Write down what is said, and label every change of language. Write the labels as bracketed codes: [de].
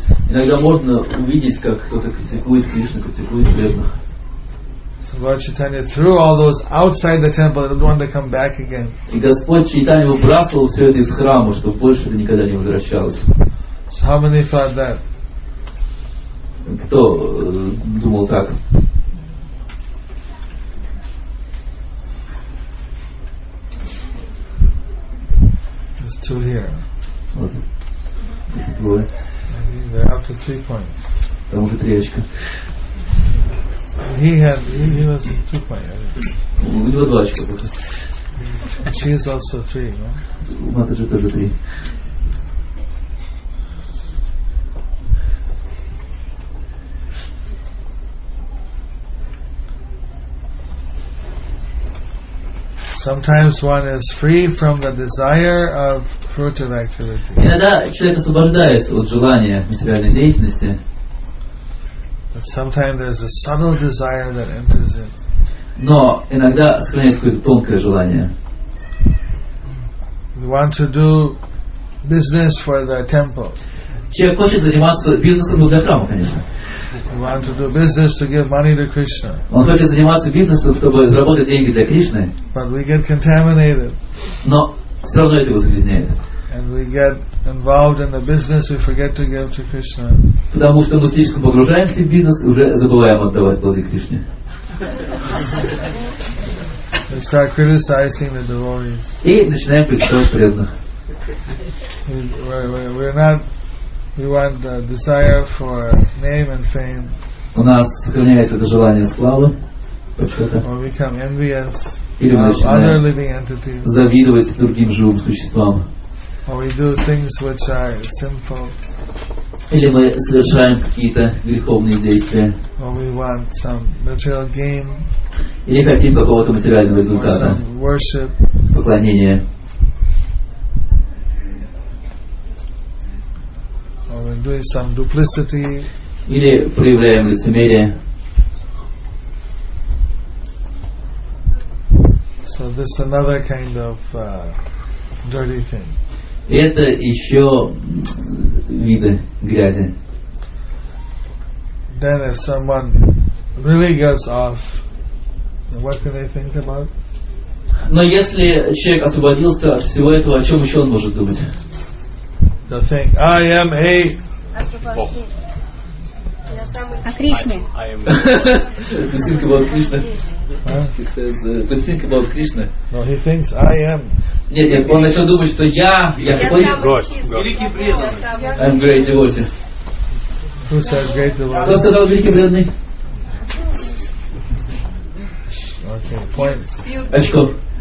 [ru] Иногда можно увидеть, как кто-то критикует Кришну, критикует бедных. [en] So Lord Chaitanya threw all those outside the temple and wanted to come back again. [ru] И Господь Чайтанья выбрасывал все это из храма, чтобы больше это никогда не возвращалось. [en] So how many thought that? [ru] Кто думал так? [en] Two here. Okay. They're up to 3 points. [ru] Там уже три очка. [en] He was 2 points. [ru] У него два очка. [en] She is also three, no? [ru] Матаджи тоже три. [en] Sometimes one is free from the desire of fruitive activity. [ru] Иногда человек освобождается от желания материальной деятельности. [en] But sometimes there's a subtle desire that enters in. [ru] Но иногда сохраняется какое-то тонкое желание. [en] You want to do business for the temple. [ru] Человек хочет заниматься бизнесом для храма, конечно. [en] You want to do business to give money to Krishna. [ru] Он хочет заниматься бизнесом, чтобы заработать деньги для Кришны. [en] But we get contaminated. [ru] Но все равно это его загрязняет. [en] And we get involved in the business, we forget to give to Krishna. [ru] Потому что мы слишком погружаемся в бизнес, уже забываем отдавать плоды Кришне. [en] We start criticizing the devotees. [ru] И начинаем критиковать преданных. [en] We're not. We want the desire for name and fame. [ru] У нас сохраняется это желание славы. [en] Or become envious of other living entities. [ru] Завидовать другим живым существам. [en] Or we do things which are sinful. [ru] Или мы совершаем какие-то греховные действия. [en] Or we want some material gain. [ru] Или хотим какого-то материального результата. [en] Or some worship. [ru] Поклонение. [en] Or we're doing some duplicity. [ru] Или проявляем лицемерие. [en] So this is another kind of dirty thing. [ru] Это еще виды грязи. [en] Then if someone really goes off, what can they think about? [ru] Но если человек освободился от всего этого, о чем еще он может думать? [en] The thing. I am a. [ru] О Кришне. [en] The thing about Krishna. He says, the thing about Krishna. No, he thinks I am. [ru] Нет, нет, он начал думать, что я такой великий преданный. [en] I'm great devotee. Who says great devotee? [ru] Кто сказал великий преданный? [en] Okay, point. [ru] Очко.